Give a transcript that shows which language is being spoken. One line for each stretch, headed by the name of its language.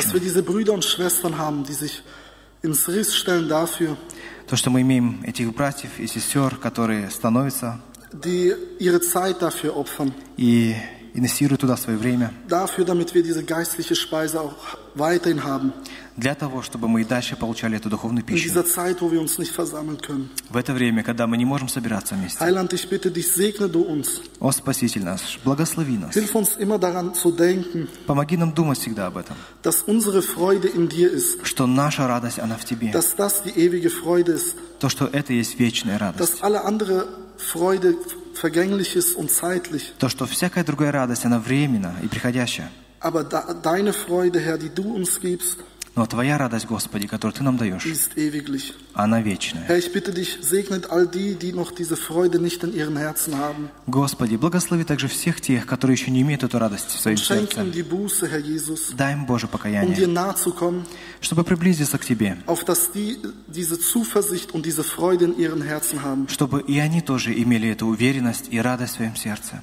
German: Dass wir diese Brüder und Schwestern haben, die sich ins Riss stellen dafür.
Russian: То, что мы имеем этих братьев и сестер, которые становятся.
German: Die ihre Zeit dafür opfern.
Russian: И инвестируют туда свое время.
German: Dafür, damit wir diese geistliche Speise auch weiterhin haben.
Russian: Для того, чтобы мы и дальше получали эту духовную пищу.
German: In dieser Zeit, wo wir uns nicht versammeln können.
Russian: В это время, когда мы не можем собираться вместе.
German: Heiland, ich bitte dich, segne du uns.
Russian: О Спаситель наш, благослови нас.
German: Hilf uns immer daran zu denken.
Russian: Помоги нам думать всегда об этом.
German: Dass unsere Freude in dir ist.
Russian: Что наша радость, она в тебе.
German: Dass das die ewige Freude ist.
Russian: То, что это есть вечная радость.
German: Dass alle andere Freude vergänglich ist und zeitlich.
Russian: То, что всякая другая радость, она временна и приходящая.
German: Aber deine Freude, Herr, die du uns gibst.
Russian: Но твоя радость, Господи, которую ты нам даешь, она вечная.
German: Herr, ich bitte dich, segnet all die, die noch diese Freude nicht in ihren Herzen haben.
Russian: Господи, благослови также всех тех, которые еще не имеют эту радость в своем сердце.
German: Schenk ihnen die Buße, Herr Jesus.
Russian: Дай им, Боже, покаяние.
German: Um dir nahe zu kommen.
Russian: Чтобы приблизиться к тебе.
German: Auf dass die diese Zuversicht und diese Freude in ihren Herzen haben.
Russian: Чтобы и они тоже имели эту уверенность и радость в своем сердце.